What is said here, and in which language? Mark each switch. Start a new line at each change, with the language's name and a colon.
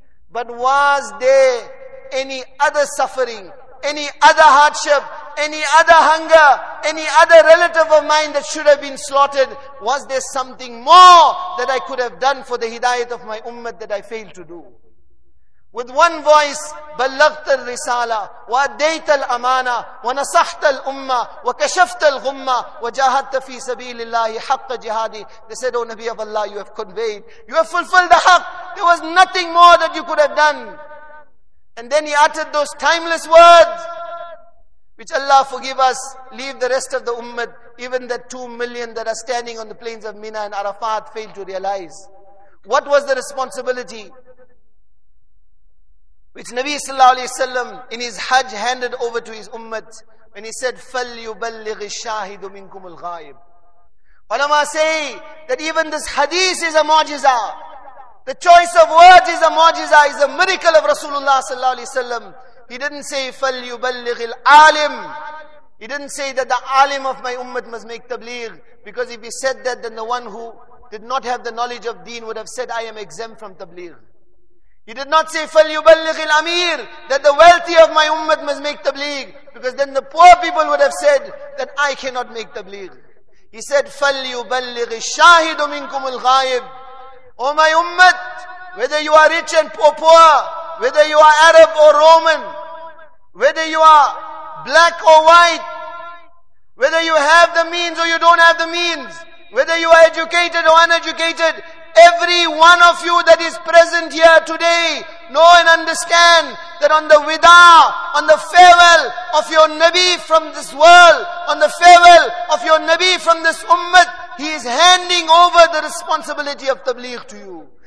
English: But was there any other suffering, any other hardship, any other hunger, any other relative of mine that should have been slaughtered? Was there something more that I could have done for the hidayat of my ummah that I failed to do? With one voice,
Arabic: بَلَّغْتَ الرِّسَالَةِ وَأَدَّيْتَ الْأَمَانَةِ وَنَصَحْتَ الْأُمَّةِ وَكَشَفْتَ الْغُمَّةِ وَجَاهَدْتَ فِي سَبِيلِ اللَّهِ حَقَّ جِهَادِ.
English: They said, O Nabi of Allah, you have conveyed, you have fulfilled the haqq. There was nothing more that you could have done. And then he uttered those timeless words, which Allah forgive us, leave the rest of the ummah, even the 2 million that are standing on the plains of Mina and Arafat, failed to realize. What was the responsibility which Nabi sallallahu alayhi wa sallam in his hajj handed over to his ummah when he said,
Arabic: فَلْيُبَلِّغِ الشَّاهِدُ مِنْكُمُ الْغَائِبُ.
English: Ulama say that even this hadith is a mu'jiza. The choice of words is a mu'jiza, is a miracle of Rasulullah sallallahu alayhi wa sallam. He didn't say,
Arabic: فَلْيُبَلِّغِ الْعَالِمُ.
English: He didn't say that the alim of my ummah must make tabligh. Because if he said that, then the one who did not have the knowledge of deen would have said, I am exempt from tabligh. He did not say,
Arabic: فَلْيُبَلِّغِ الْأَمِيرِ,
English: that the wealthy of my ummah must make tabligh. Because then the poor people would have said that I cannot make tabligh.
Arabic: He said, فَلْيُبَلِّغِ الشَّاهِدُ مِنْكُمُ الْغَائِبُ.
English: O my ummah, whether you are rich and poor, whether you are Arab or Roman, whether you are black or white, whether you have the means or you don't have the means, whether you are educated or uneducated, every one of you that is present here today, know and understand that on the wida, on the farewell of your Nabi from this world, on the farewell of your Nabi from this ummah, he is handing over the responsibility of tabligh to you.